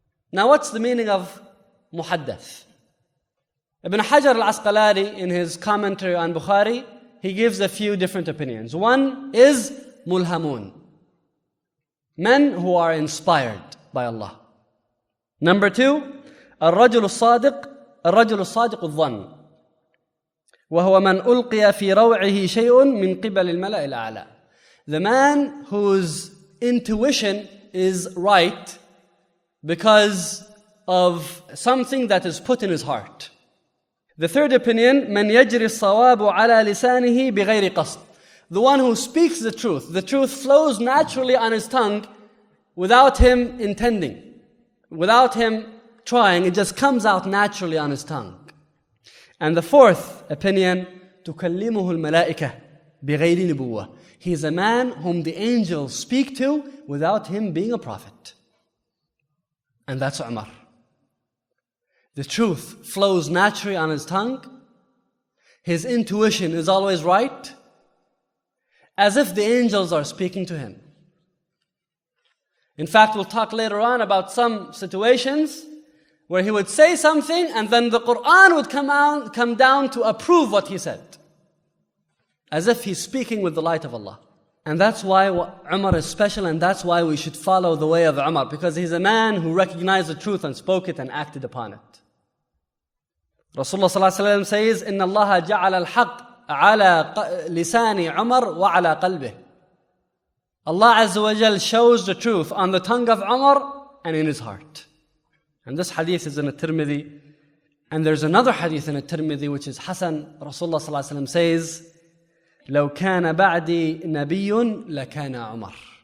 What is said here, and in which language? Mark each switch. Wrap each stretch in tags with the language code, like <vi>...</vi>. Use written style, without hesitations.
<en>Now, what's the meaning of muhaddath? Ibn Hajar al-Asqalani, in his commentary on Bukhari, he gives a few different opinions. One is mulhamun, men who are inspired by Allah. Number two,</en> <ar>الرجل الصادق الظن وهو من ألقي في روعه شيء من قبل الملأ الأعلى.</ar> <en>The man whose intuition is right because of something that is put in his heart. The third opinion,</en> <ar>من يجري الصواب على لسانه بغير قصد.</ar> <en>The one who speaks the truth flows naturally on his tongue without him intending, without him trying, it just comes out naturally on his tongue. And the fourth opinion,</en> <ar>تكلمه الملائكة بغير نبوة.</ar> <en>He is a man whom the angels speak to without him being a prophet. And that's Umar. The truth flows naturally on his tongue. His intuition is always right, as if the angels are speaking to him. In fact, we'll talk later on about some situations where he would say something and then the Quran would come down to approve what he said, as if he's speaking with the light of Allah. And that's why Umar is special, and that's why we should follow the way of Umar, because he's a man who recognized the truth and spoke it and acted upon it.</en> <ar>Rasulullah sallallahu alayhi wa sallam says, إِنَّ اللَّهَ جَعَلَ الْحَقِّ عَلَى لِسَانِ عُمَرْ وَعَلَى قَلْبِهِ.</ar> <en>Allah Azza wa Jal shows the truth on the tongue of Umar and in his heart. And this hadith is in At-Tirmidhi. And there's another hadith in At-Tirmidhi which is Hasan.</en> <ar>Rasulullah sallallahu alayhi wa sallam says, لو كان بعدي نبي لكان عمر.</ar>